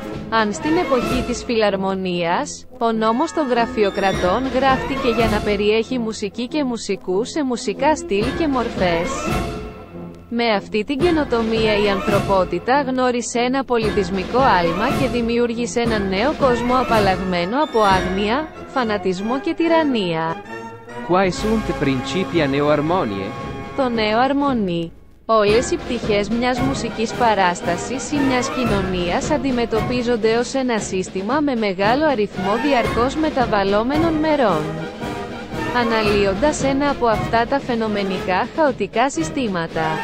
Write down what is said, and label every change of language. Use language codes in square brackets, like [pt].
[el] Αν στην εποχή της φιλαρμονίας, ο νόμος των γραφειοκρατών γράφτηκε για να περιέχει μουσική και μουσικούς σε μουσικά στυλ και μορφές. Με αυτή την καινοτομία η ανθρωπότητα γνώρισε ένα πολιτισμικό άλμα και δημιούργησε έναν νέο κόσμο απαλλαγμένο από άγνοια, φανατισμό και τυραννία. [la] Quae sunt principia neoarmonie? [el] Το νέο αρμονί. Όλες οι πτυχές μιας μουσικής παράστασης ή μιας κοινωνίας αντιμετωπίζονται ως ένα σύστημα με μεγάλο αριθμό διαρκώς μεταβαλλόμενων μερών. Αναλύοντας ένα από αυτά τα φαινομενικά χαοτικά συστήματα.